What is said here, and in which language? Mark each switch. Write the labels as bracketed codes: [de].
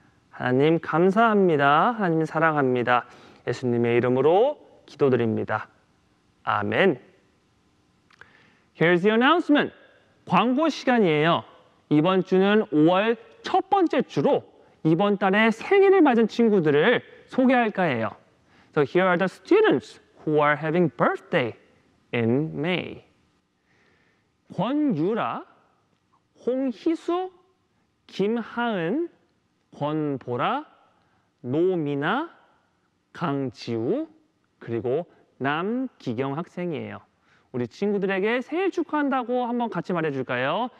[ko] 하나님 감사합니다. 하나님 사랑합니다. 예수님의 이름으로 기도드립니다. 아멘. [en] Here's the announcement. [ko] 광고 시간이에요. 이번 주는 5월 첫 번째 주로 이번 달에 생일을 맞은 친구들을 소개할까 해요. [en] So here are the students who are having birthday in May. [ko] 권유라, 홍희수, 김하은, 권보라, 노미나, 강지우, 그리고 남기경 학생이에요. 우리 친구들에게 생일 축하한다고 한번 같이 말해줄까요?